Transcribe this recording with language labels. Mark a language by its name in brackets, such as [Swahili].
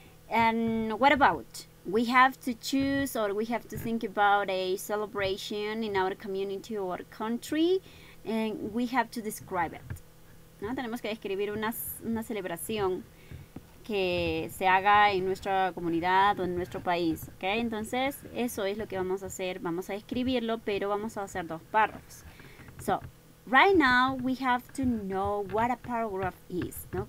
[English] And what about, we have to choose or we have to think about a celebration in our community or country and we have to describe it, ¿no? [Spanish] Tenemos que describir una celebración que se haga en nuestra comunidad o en nuestro país, ¿ok? Entonces, eso es lo que vamos a hacer. Vamos a escribirlo, pero vamos a hacer dos párrafos. [English] So, right now, we have to know what a paragraph is, ¿no?